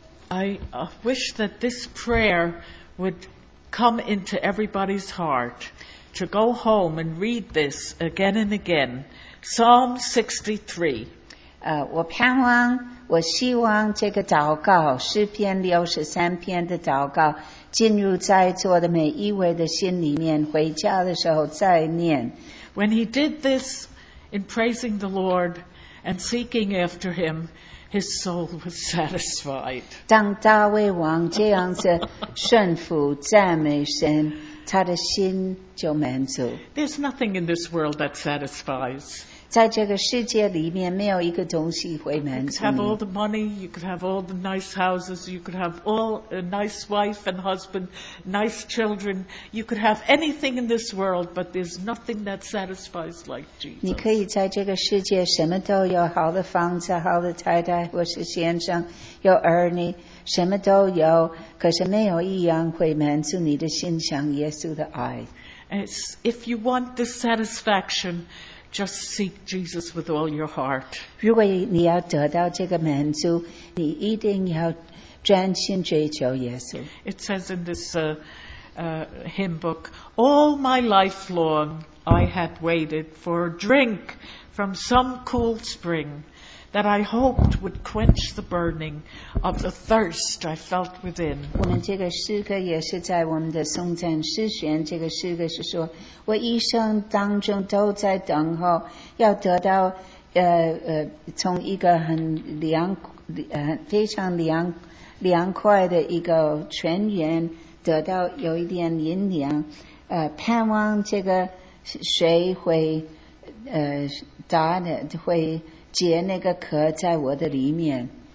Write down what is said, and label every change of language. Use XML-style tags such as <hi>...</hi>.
<en>I wish that this prayer would come into everybody's heart. To go home and read this again and again. Psalm 63.</en> <zh>我盼望，我希望这个祷告，诗篇63篇的祷告，进入在座的每一位的心里面，回家的时候再念。</zh> <en>When he did this in praising the Lord and seeking after him,His soul was satisfied.</en> <zh>当大卫王这样子顺服赞美神，他的心就满足。</zh> <en>There's nothing in this world that satisfies.</en> <zh>在这个世界里面没有一个东西会满足你。</zh> <en>You could have all the money, you could have all the nice houses, you could have all a nice wife and husband, nice children, you could have anything in this world, but there's nothing that satisfies like Jesus.</en> <zh>你可以在这个世界什么都有，好的房子，好的太太或是先生，有儿女，什么都有，可是没有一样会满足你的心想耶稣的爱。</zh> <en>If you want this satisfaction, just seek Jesus with all your heart.</en> <zh>如果你要得到这个满足，你一定要专心追求耶稣。</zh> <en>It says in this hymn book, All my life long I had waited for a drink from some cool spring that I hoped would quench the burning of the thirst I felt within.</en> <zh>我们这个诗歌也是在我们的颂赞诗选，这个诗歌是说，我一生当中都在等候，要得到从一个很凉，非常凉，凉快的一个泉源，得到有一点阴凉，盼望这个水会打的会结那个壳在我的里面。</zh>